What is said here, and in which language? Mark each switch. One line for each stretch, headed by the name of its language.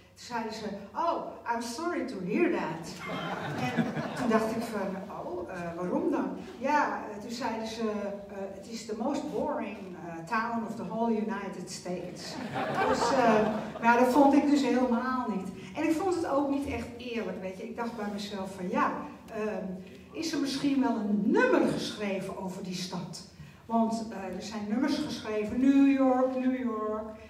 Dutch: Toen zeiden ze,
English: oh, I'm sorry to hear that.
Dutch: En toen dacht ik van, oh, waarom dan? Ja, toen zeiden ze,
English: it is the most boring town of the whole United States.
Dutch: Dus, maar dat vond ik dus helemaal niet. En ik vond het ook niet echt eerlijk, weet je. Ik dacht bij mezelf van, ja, is er misschien wel een nummer geschreven over die stad? Want er zijn nummers geschreven, New York.